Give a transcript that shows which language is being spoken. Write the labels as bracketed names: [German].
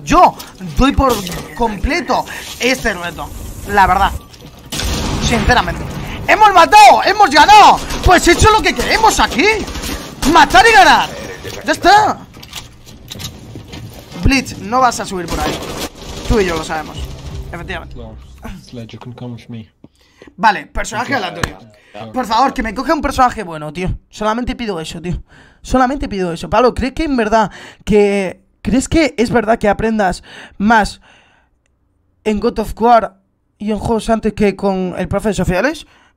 [Spanish] Yo doy por completo este reto. La verdad. Sinceramente. ¡Hemos matado! ¡Hemos ganado! Pues eso es lo que queremos aquí: matar y ganar. Ya está. Blitz, no vas a subir por ahí. Tú y yo lo sabemos, efectivamente. [English] Well, Sledge, you can come with me. [Spanish] Vale, personaje aleatorio. Por favor, que me coja un personaje bueno, tío. Solamente pido eso, tío. Solamente pido eso. Pablo, ¿crees que en verdad que... ¿Crees que es verdad que aprendas más en God of War y en juegos antes que con el profe de sociales?